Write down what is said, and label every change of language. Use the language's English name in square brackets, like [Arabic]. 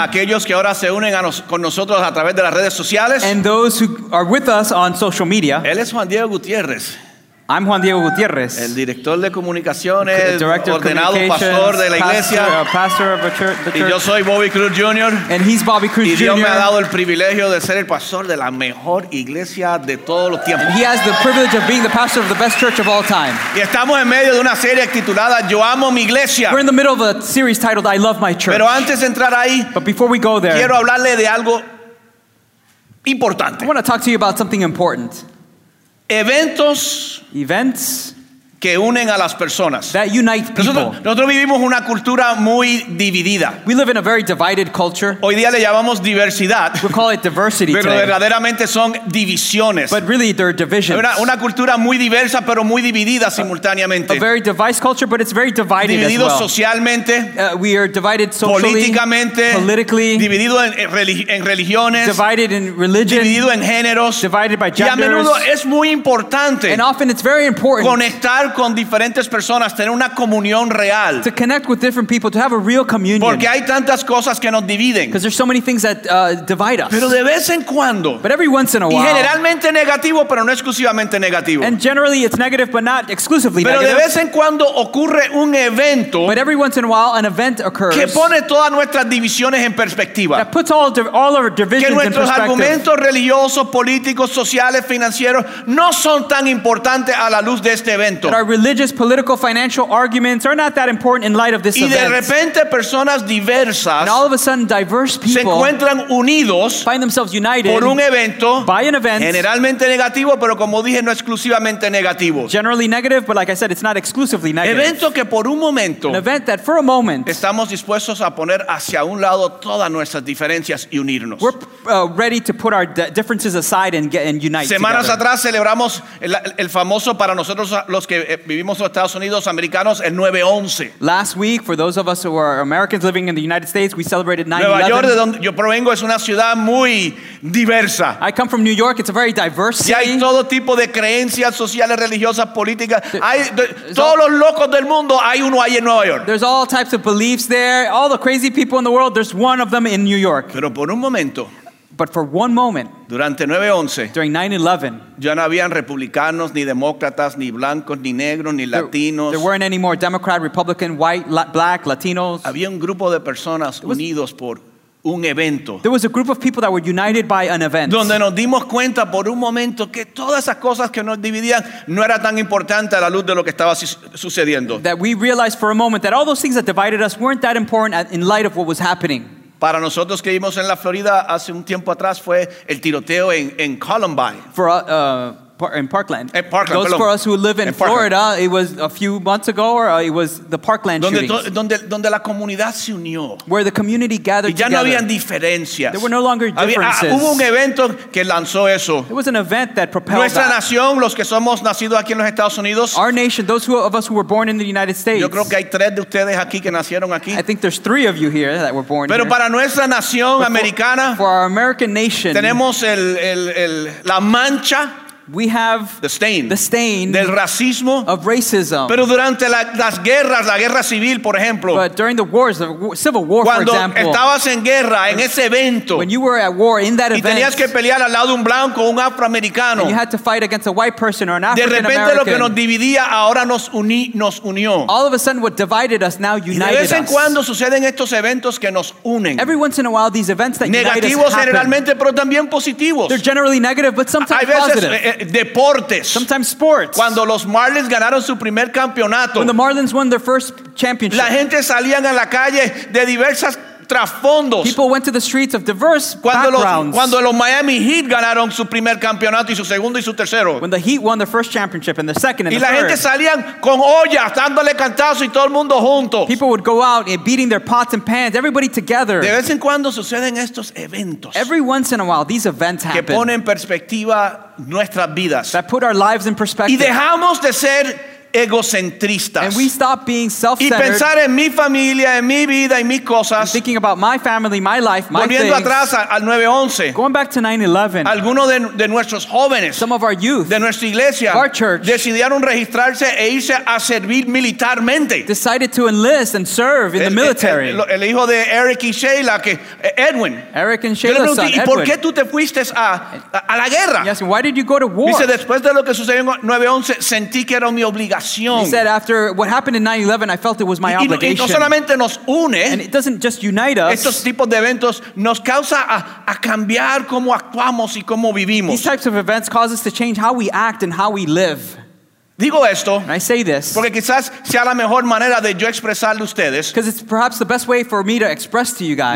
[Spanish] Aquellos que ahora se unen a con nosotros a través de las redes sociales. [English] And those who are with us on social media. [Spanish] Él es Juan Diego Gutiérrez. [English] I'm Juan Diego Gutiérrez. [Spanish] El director de comunicaciones, ordenado pastor de la iglesia. [English] Pastor of a church, the church. [Spanish] Y yo soy Bobby Cruz Jr. [English] And he's Bobby Cruz Jr. [Spanish] Y Dios me ha dado el privilegio de ser el pastor de la mejor iglesia de todos los tiempos. [English] And he has the privilege of being the pastor of the best church of all time. [Spanish] Y estamos en medio de una serie titulada Yo amo mi iglesia. [English] We're in the middle of a series titled I love my church. [Spanish] Pero antes de entrar ahí, [English] but before we go there, [Spanish] quiero hablarle de algo importante. [English] I want to talk to you about something important. [Spanish] Eventos, [English] events [Spanish] que unen a las personas. [English] That unite people. [Spanish] Nosotros vivimos una cultura muy dividida. [English] We live in a very divided culture. [Spanish] Hoy día le llamamos diversidad. [English] We call it diversity. [Spanish] Pero verdaderamente son divisiones. [English] But really they're divisions. [Spanish] Una cultura muy diversa pero muy dividida simultáneamente. [English] A very divided culture, but it's very divided. [Spanish] Dividido [English] as well. [Spanish] Socialmente. [English] We are divided socially. [Spanish] Políticamente. [English] Politically. [Spanish] Dividido en religiones. [English] Divided in religion. [Spanish] Dividido en géneros. [English] Divided by genders. [Spanish] Y a menudo es muy importante. [English] And often it's very important. [Spanish] Conectar con diferentes personas, tener una comunión real. [English] To connect with different people, to have a real communion. [Spanish] Porque hay tantas cosas que nos dividen. [English] Because there's so many things that divide us. [Spanish] Pero de vez en cuando. [English] But every once in a while. [Spanish] Y generalmente negativo, pero no exclusivamente negativo. [English] And generally it's negative, but not exclusively [Spanish] pero [English] negative. [Spanish] Pero de vez en cuando ocurre un evento. [English] But every once in a while an event occurs. [Spanish] Que pone todas nuestras divisiones en perspectiva. [English] That puts all of our divisions in perspective. [Spanish] Que nuestros argumentos religiosos, políticos, sociales, financieros no son tan importantes a la luz de este evento. [English] That our religious, political, financial arguments are not that important in light of this [Spanish] y de [English] event. [Spanish] Repente, personas diversas [English] and all of a sudden, diverse people [Spanish] se encuentran unidos [English] find themselves united [Spanish] por un evento, [English] by an event, [Spanish] generalmente negativo, pero como dije, no exclusivamente negativo. [English] Generally negative, but like I said, it's not exclusively negative. [Spanish] Evento que por un momento, [English] an event that for a moment [Spanish] estamos dispuestos a poner hacia un lado todas nuestras diferencias y unirnos. [English] We're ready to put our differences aside and unite. [Spanish] Semanas [English] together. [Spanish] Atrás celebramos el famoso para nosotros los que vivimos en Estados Unidos americanos el 9/11. [English] Last week, for those of us who are Americans living in the United States, we celebrated 9/11. [Spanish] Nueva York, de donde yo provengo, es una ciudad muy diversa. [English] I come from New York. It's a very diverse city. [Spanish] Y hay todo tipo de creencias sociales, religiosas, políticas. Todos los locos del mundo, hay uno ahí en Nueva York. [English] There's all types of beliefs there. All the crazy people in the world, there's one of them in New York. [Spanish] Pero por un momento. [English] But for one moment, [Spanish] durante 9/11, [English] during 9/11, [Spanish] ya no habían republicanos, ni demócratas, ni blancos, ni negros, ni latinos. [English] There weren't any more Democrat, Republican, white, black, Latinos. [Spanish] Había un grupo de personas unidos por un evento. [English] There was a group of people that were united by an event. [Spanish] Donde nos dimos cuenta por un momento que todas esas cosas que nos dividían no era tan importante a la luz de lo que estaba sucediendo. [English] That we realized for a moment that all those things that divided us weren't that important in light of what was happening. [Spanish] Para nosotros que vivimos en la Florida hace un tiempo atrás fue el tiroteo en Columbine. [English] For in Parkland. [Spanish] En Parkland. [English] Those [Spanish] perdón. [English] For us who live in Florida, it was a few months ago, or it was the Parkland shootings. [Spanish] Donde la comunidad se unió. [English] Where the community gathered together. [Spanish] no habían diferencias. [English] There were no longer differences. [Spanish] Hubo un evento que lanzó eso. [English] It was an event that propelled [Spanish] nuestra [English] that. [Spanish] Nación, los que somos nacidos aquí en los Estados Unidos. [English] Our nation, those of us who were born in the United States. [Spanish] Yo creo que hay tres de ustedes aquí que nacieron aquí. [English] I think there's three of you here that were born [Spanish] pero [English] here. [Spanish] Pero para nuestra nación [English] but [Spanish] americana. [English] For our American nation. [Spanish] Tenemos la mancha. [English] We have the stain [Spanish] del racismo, [English] of racism. [Spanish] Pero durante las guerras, la guerra civil, por ejemplo. [English] But during the wars, the civil war, [Spanish] cuando [English] for example. [Spanish] Estabas en guerra, en ese evento, [English] when you were at war in that [Spanish] y [English] event. [Spanish] Y tenías que pelear al lado de un blanco o un afroamericano. [English] And you had to fight against a white person or an African-American. [Spanish] De repente lo que nos dividía ahora nos unió. [English] All of a sudden what divided us now united us. [Spanish] De vez en cuando suceden estos eventos que nos unen. [English] Every once in a while these events that [Spanish] negativos [English] unite us [Spanish] generalmente, [English] happen. [Spanish] Pero también positivos. [English] They're generally negative, but sometimes positive. [Spanish] Deportes. [English] Sometimes sports. [Spanish] Cuando los Marlins ganaron su primer campeonato. [English] When the Marlins won their first championship. [Spanish] La gente salían a la calle de diversas trasfondos. [English] People went to the streets of diverse backgrounds. [Spanish] Cuando los Miami Heat ganaron su primer campeonato y su segundo y su tercero. [English] When the Heat won their first championship and their second and [Spanish] y [English] the [Spanish] la [English] third. [Spanish] Gente salían con ollas dándole cantazo y todo el mundo juntos. [English] People would go out beating their pots and pans, everybody together. [Spanish] De vez en cuando suceden estos eventos. [English] Every once in a while these events happen. [Spanish] Que ponen perspectiva nuestras vidas. [English] That put our lives in perspective. [Spanish] Y dejamos de ser egocentristas. [English] And we stop being self-centered. [Spanish] Y pensar en mi familia, en mi vida, en mis cosas. [English] Thinking about my family, my life, my [Spanish] volviendo [English] things. [Spanish] Atrás al 9-11. [English] Going back to 9-11. [Spanish] Algunos de nuestros jóvenes. [English] Some of our youth. [Spanish] De nuestra iglesia. [English] Our church. [Spanish] Decidieron registrarse e irse a servir militarmente. [English] Decided to enlist and serve in the military. [Spanish] El hijo de Eric y Sheila, que Edwin. [English] Eric and Sheila's [Spanish] pregunté, [English] son, Edwin. [Spanish] ¿Y por qué tú te fuiste a la guerra? [English] Yes, why did you go to war? [Spanish] Dice, después de lo que sucedió en 9-11, sentí que era mi obligación. [English] He said, after what happened in 9-11, I felt it was my obligation. [Spanish] Y no solamente nos une. [English] And it doesn't just unite us. [Spanish] Estos tipos de eventos nos causa a cambiar cómo actuamos y cómo vivimos. [English] These types of events cause us to change how we act and how we live. [Spanish] Digo esto, [English] I say this, [Spanish] porque quizás sea la mejor manera de yo expresarle a ustedes, [English] because it's perhaps the best way for me to express to you guys,